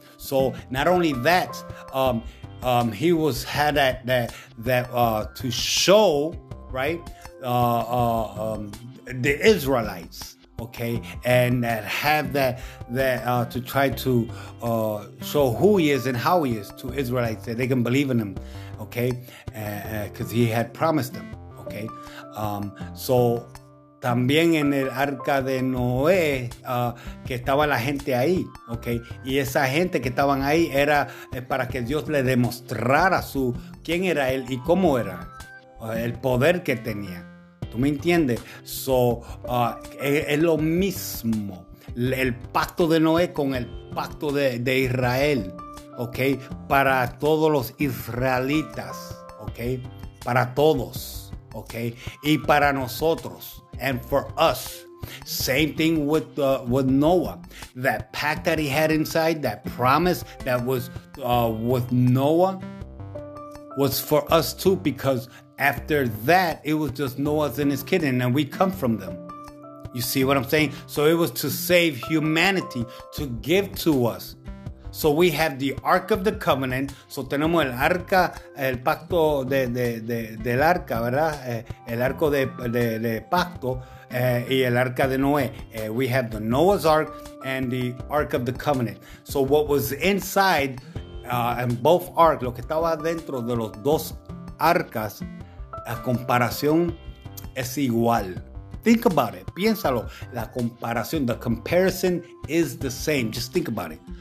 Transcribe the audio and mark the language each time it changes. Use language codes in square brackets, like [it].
[en] So, not only that, he was had that to show, right? the Israelites, okay, and that have that to try to show who he is and how he is to Israelites, that they can believe in him, okay, because he had promised them, okay. [es] So también en el arca de Noé que estaba la gente ahí, okay, y esa gente que estaban ahí era para que Dios le demostrara su quién era él y cómo era el poder que tenía. ¿Tú me entiendes? So, es lo mismo. El pacto de Noé con el pacto de Israel. ¿Ok? Para todos los israelitas. ¿Ok? Para todos. ¿Ok? Y para nosotros. [en] And for us. Same thing with Noah. That pact that he had inside, that promise that was with Noah, was for us too, because after that, it was just Noah and his kid, and we come from them. You see what I'm saying? So it was to save humanity, to give to us. So we have the Ark of the Covenant. [es] So tenemos el arca, el pacto del arca, ¿verdad? El arco de pacto y el arca de Noé. [en] We have the Noah's Ark and the Ark of the Covenant. So what was inside and both arcs, [es] lo que estaba dentro de los dos arcas, la comparación es igual. [en] Think about it. [es] Piénsalo. La comparación, [en] the comparison is the same. Just think about it.